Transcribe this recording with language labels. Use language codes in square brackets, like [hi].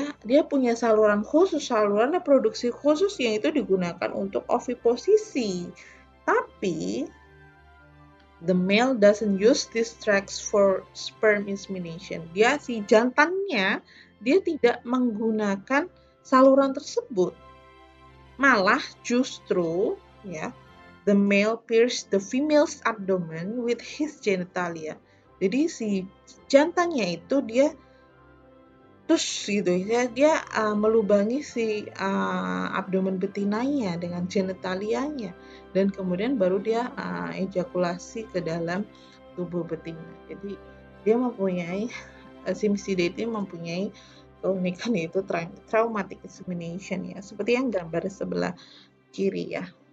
[id] Dia punya saluran khusus, saluran reproduksi khusus yang itu digunakan untuk oviposisi. [en] Tapi the male doesn't use this tracks for sperm insemination. [id] Dia si jantannya dia tidak menggunakan saluran tersebut. Malah justru ya, [en] the male pierce the female's abdomen with his genitalia. [id] Jadi si jantannya itu dia terus gitu ya, dia melubangi si abdomen betinanya dengan genitalianya dan kemudian baru dia ejakulasi ke dalam tubuh betina. Jadi dia mempunyai simisida ini mempunyai keunikan yaitu traumatic insemination ya, seperti yang gambar sebelah kiri ya.